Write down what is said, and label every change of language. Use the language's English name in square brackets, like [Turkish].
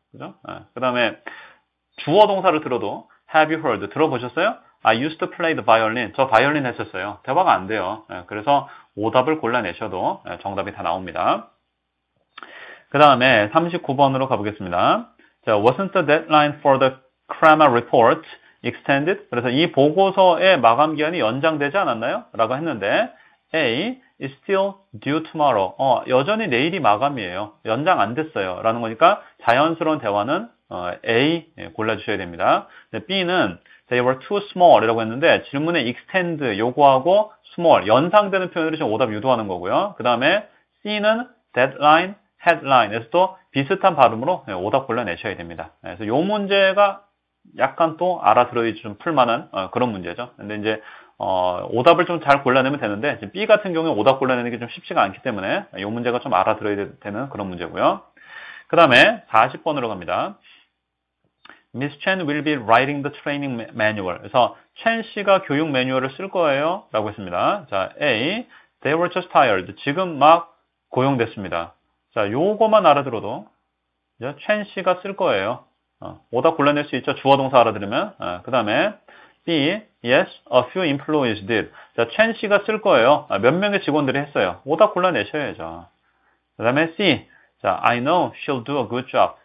[Korean] 그죠? 예, 그 다음에 주어 동사를 들어도 [English] Have you heard? [Korean] 들어보셨어요? [English] I used to play the violin. [Korean] 저 바이올린 했었어요. 대화가 안 돼요. 예, 그래서 오답을 골라내셔도 예, 정답이 다 나옵니다. 그 다음에 39번으로 가보겠습니다. [English] 자, Wasn't the deadline for the Kramer report? Extended. [Korean] 그래서 이 보고서의 마감 기한이 연장되지 않았나요? 라고 했는데, [English] A is still due tomorrow. [Korean] 여전히 내일이 마감이에요. 연장 안 됐어요. 라는 거니까 자연스러운 대화는 A 골라주셔야 됩니다. B는 [English] they were too small [Korean] 이라고 했는데, 질문에 extend 요구하고 small 연상되는 표현으로 지금 오답 유도하는 거고요. 그 다음에 C는 deadline, headline에서도 비슷한 발음으로 오답 골라내셔야 됩니다. 그래서 요 문제가 약간 또 알아들어야 좀 풀만한 그런 문제죠. 근데 이제 오답을 좀잘 골라내면 되는데 B 같은 경우에 오답 골라내는 게좀 쉽지가 않기 때문에 이 문제가 좀 알아들어야 되는 그런 문제고요. 그 다음에 40번으로 갑니다. [English] Miss Chen will be writing the training manual. [Korean] 그래서 첸 씨가 교육 매뉴얼을 쓸 거예요 라고 했습니다. 자, A. [English] They were just hired. [Korean] 지금 막 고용됐습니다. 자, 요거만 알아들어도 이제 첸 씨가 쓸 거예요. 오답 골라낼 수 있죠. 주어 동사 알아들으면. 그 다음에 B. [English] Yes, a few employees did. [Korean] 자, 첸 씨가 쓸 거예요. 몇 명의 직원들이 했어요. 오답 골라내셔야죠. 그 다음에 C. [English] 자, I know she'll do a good job.